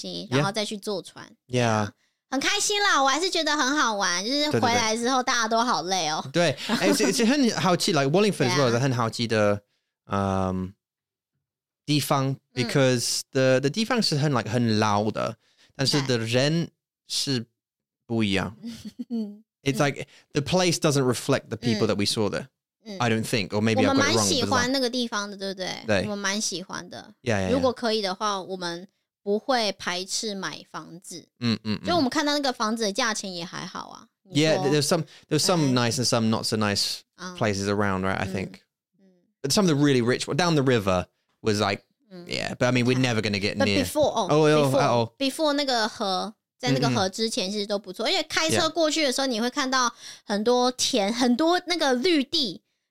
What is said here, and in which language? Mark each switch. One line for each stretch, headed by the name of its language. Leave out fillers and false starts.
Chinese: 所以那一天的行程其实很好笑，我们原本要去看城堡，原本要去城堡花园，结果没有去。我们那一天就花了很多钱，然后就去了。对对对。去看博物馆，然后去花园吃东西，然后去公园吃东西，然后再去坐船。Yeah. 很开心啦，我还是觉得很好玩，就是回来之后大家都好累哦。对，哎，这很好奇，
English: like Wallingford as well is a
Chinese: 很好奇的 地方，
English: because the
Chinese: 地方是很
English: like
Chinese: 很老的，但是
English: the
Chinese: 人是不一样。
English: It's like the place doesn't reflect the people that we saw there. I don't think, or maybe I got it wrong.
Chinese: 我们蛮喜欢那个地方的，对不对？对，我们蛮喜欢的。如果可以的话，我们 不会排斥买房子，就我们看到那个房子的价钱也还好啊。Yeah,
English: there's some nice and some not so nice places around, right? I think, but some of the really rich down the river was like, yeah. But I mean, we're never going to get near.
Chinese: Before 那个河，在那个河之前其实都不错，而且开车过去的时候，你会看到很多田，很多那个绿地。